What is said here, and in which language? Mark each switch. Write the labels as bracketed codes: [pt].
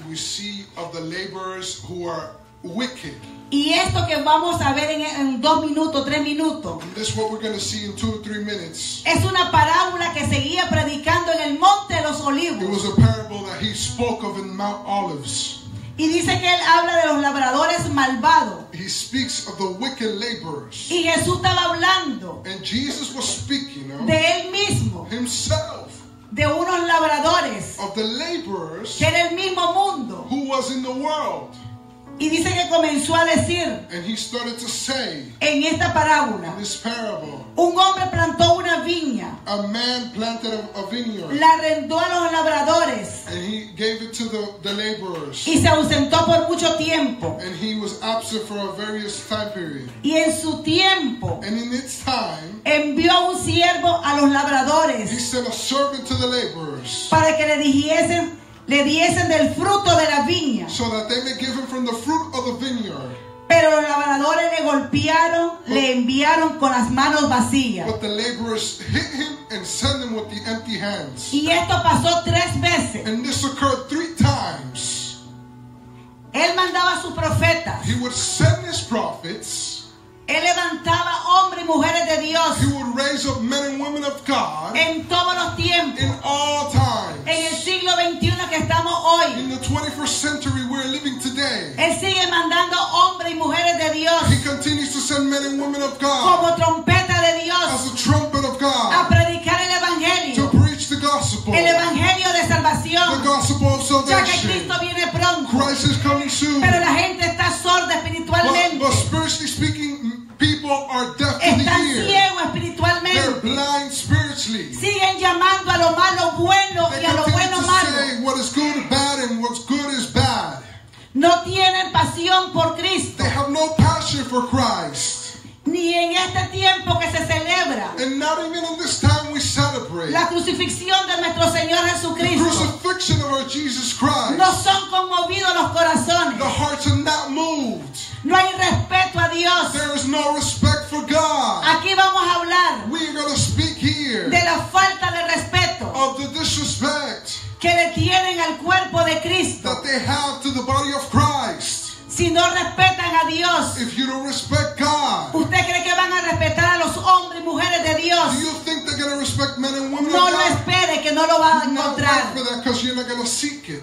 [en] We see of the laborers who are wicked. [es] Y esto que vamos a ver en dos minutos, tres minutos. [en] And this is what we're going to see in 2 or 3 minutes. [es] Es una parábola que seguía predicando en el Monte de los Olivos. [en] It was a parable that he spoke of in Mount Olives. [es] Y dice que él habla de los labradores malvados. [en] He speaks of the wicked laborers. [es] Y Jesús estaba hablando. [en] And Jesus was speaking of [es] de él mismo. [en] Himself. [es] De unos labradores. [en] Of the laborers. [es] Que era el mismo mundo. [en] Who was in the world. [es] Y dice que comenzó a decir. [en] And he started to say. [es] En esta parábola. [en] In this parable. [es] Un hombre plantó una viña. [en] A man planted a vineyard. [es] La arrendó a los labradores. [en] And he gave it to the laborers. [es] Y se ausentó por mucho tiempo. [en] And he was absent for a various time period. [es] Y en su tiempo. [en] And in its time. [es] Envió un siervo a los labradores. [en] He sent a servant to the laborers. [es] Para que le diesen del fruto de la viña. [en] So that they may give him from the fruit of the vineyard. [es] Pero los labradores le golpearon. le enviaron con las manos vacías. [en] But the laborers hit him and sent him with the empty hands. [es] Y esto pasó tres veces. [en] And this occurred three times. [es] Él mandaba a sus profetas. [en] He would send his prophets. [es] Él levantaba hombres y mujeres de Dios. [en] He would raise up men and women of God. [es] En todos los tiempos. [en] In all times. [es] En el siglo 21 que estamos hoy. [en] In the 21st century we're living today. [es] Él sigue mandando hombres y mujeres de Dios. [en] He continues to send men and women of God. [es] Como trompeta de Dios. [en] As a trumpet of God. [es] A predicar el evangelio. [en] To preach the gospel. [es] El evangelio de salvación. [en] The gospel of salvation. [es] Ya que Cristo viene pronto. [en] Christ is coming soon. [es] Pero la gente está sorda espiritualmente. [en] But spiritually speaking, people are deaf to the ear. [es] Están ciego espiritualmente. [en] They're blind spiritually. [es] Siguen llamando a lo malo bueno y a lo bueno malo. [en] They continue to say what is good bad and what's good is bad. [es] No tienen pasión por Cristo. [en] They have no passion for Christ. [es] Ni en este tiempo que se celebra. [en] And not even in this time we celebrate. [es] La crucifixión de nuestro Señor Jesucristo. [en] The crucifixion of our Jesus Christ. [es] No son conmovidos los corazones. [en] The hearts are not moved. [es] No hay respeto a Dios. [en] There is no respect for God. [es] Aquí vamos a hablar. [en] We are going to speak here. [es] De la falta de respeto. [en] Of the disrespect. [es] Que le tienen al cuerpo de Cristo. [en] That they have to the body of Christ. [es] Si no respetan a Dios. [en] If you don't respect God. [es] ¿Usted cree que van a respetar a los hombres y mujeres de Dios? [en] Do you think they're going to respect men and women [es] no [en] of God? [es] No lo espere, que no lo va a encontrar. [en] Not wait for that because you're not going to seek it.